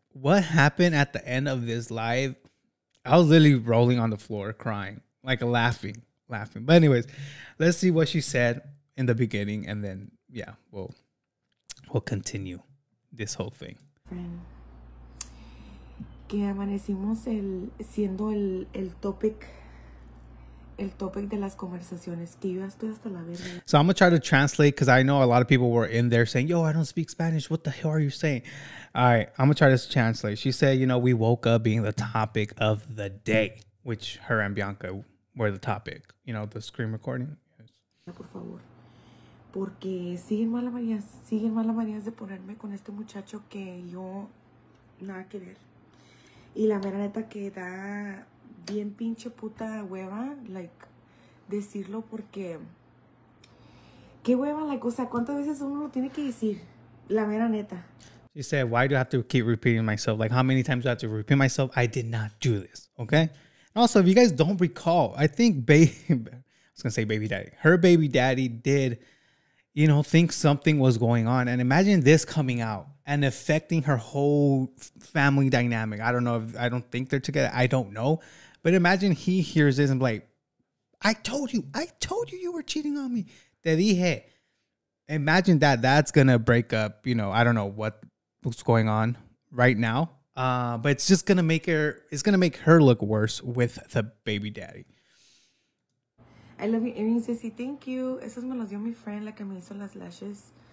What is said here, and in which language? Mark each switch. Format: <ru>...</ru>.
<en>What happened at the end of this live? I was literally rolling on the floor crying, like laughing. But anyways, let's see what she said in the beginning, and then yeah, we'll continue this whole thing.</en> <es>Que amanecimos el siendo el topic de las conversaciones que yo estoy hasta la verga.</es> <en>So I'm gonna try to translate because I know a lot of people were in there saying, "Yo, I don't speak Spanish. What the hell are you saying?" All right, I'm gonna try to translate. She said, "You know, we woke up being the topic of the day, which her and Bianca were the topic. You know, the screen recording." Yes.</en> <es>Por favor, porque siguen malas manías de ponerme con este muchacho que yo nada que ver. Y la mera neta que da bien pinche puta hueva, like, decirlo porque, qué hueva, like, o sea, ¿cuántas veces uno lo tiene que decir? La mera neta.</es> <en>She said, why do I have to keep repeating myself? Like, how many times do I have to repeat myself? I did not do this, okay? And also, if you guys don't recall, I think baby daddy. Her baby daddy did, you know, think something was going on. And imagine this coming out and affecting her whole family dynamic. I don't know. I don't think they're together. I don't know. But imagine he hears this and be like, I told you you were cheating on me.</en> <es>Te dije.</es> <en>Imagine that. That's going to break up. You know, I don't know what's going on right now. But it's just going to make her, it's going to make her look worse with the baby daddy. I love you. And he says, thank you.</en> <es>Esos me los dio mi friend, la que me hizo las lashes.</es>